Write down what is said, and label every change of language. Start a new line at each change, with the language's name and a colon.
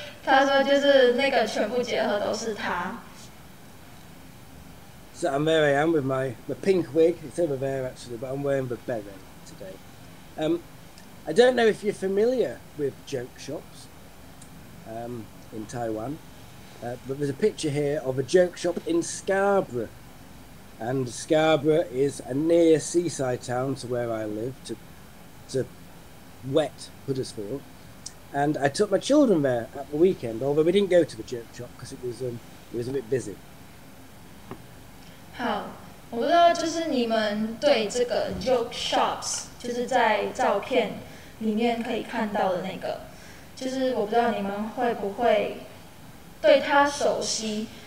Chinese: 他说就是那个全部结合都是他。
English: So I'm there. I am with my pink wig. It's over there actually, but I'm wearing the beret today. I don't know if you're familiar with joke shops in Taiwan, but there's a picture here of a joke shop in Scarborough. And Scarborough is a near seaside town to where I live, to wet Huddersfield. And I took my children there at the weekend, although we didn't go to the joke shop because it was a bit busy.
Chinese: 好，我不知道就是你们对这个 joke shops， 就是在照片里面可以看到的那个，就是我不知道你们会不会对它熟悉。